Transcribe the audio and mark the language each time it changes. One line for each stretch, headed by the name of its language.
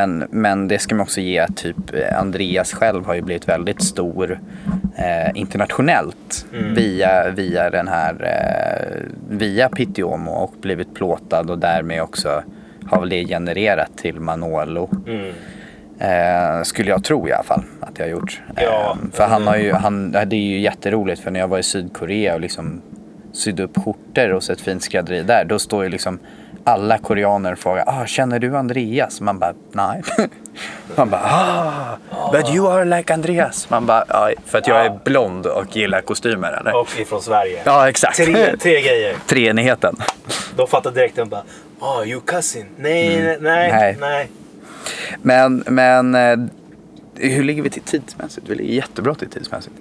Swedish: Men det ska man också ge att typ Andreas själv har ju blivit väldigt stor internationellt via den här via Pitiomo och blivit plåtad och därmed också har väl det genererat till Manolo. Mm. Skulle jag tro i alla fall att det har gjort. Ja. För han har ju, det är ju jätteroligt, för när jag var i Sydkorea och liksom sydde upp skjortor och sett fint skrädderi där, då står ju liksom alla koreaner frågar, känner du Andreas? Man bara, nej. Man bara,
English: but you are like Andreas.
Swedish: Man bara, för att jag är blond och gillar kostymer, eller? Och ifrån Sverige. Ja, exakt. Tre grejer. Treenigheten. Då fattar direkt den bara,
English: you cousin.
Swedish: Nej. Men hur ligger vi till tidsmässigt? Vi ligger jättebra till tidsmässigt.